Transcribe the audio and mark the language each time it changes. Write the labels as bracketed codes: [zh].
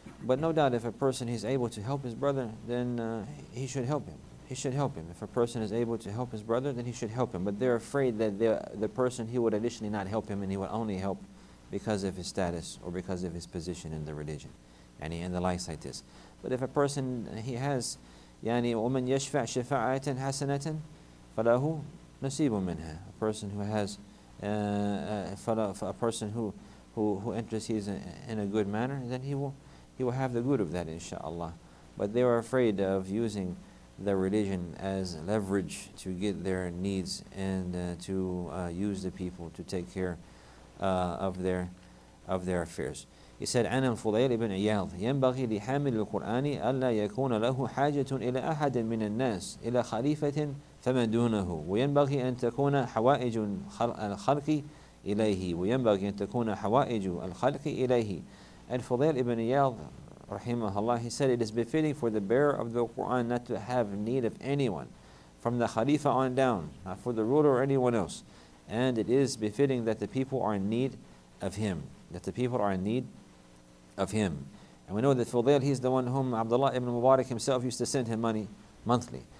[en] But no doubt if a person is able to help his brother, then he should help him. He should help him. If a person is able to help his brother, then he should help him. But they're afraid that the person, he would additionally not help him, and he would only help because of his status or because of his position in the religion. And the likes like this. But if a person, he has, [ar] يعني ومن يشفع شفاعة حسنة فله نصيب منها. [en] A person who has, a person who intercedes in a good manner, then he will have the good of that, inshaAllah. But they were afraid of using the religion as leverage to get their needs and to use the people to take care of their affairs. He said, [ar] "عن الفضيل بن عياض ينبغي لحامل القرآن ألا يكون له حاجة إلى أحد من الناس إلى خليفة فمن دونه وينبغي أن تكون حوائج الخلق إليه وينبغي أن تكون حوائج الخلق إليه." [en] And Fudail ibn Iyad, rahimahullah, he said, "It is befitting for the bearer of the Quran not to have need of anyone, from the Khalifa on down, not for the ruler or anyone else. And it is befitting that the people are in need of him." That the people are in need of him. And we know that Fudail, he's the one whom Abdullah ibn Mubarak himself used to send him money monthly.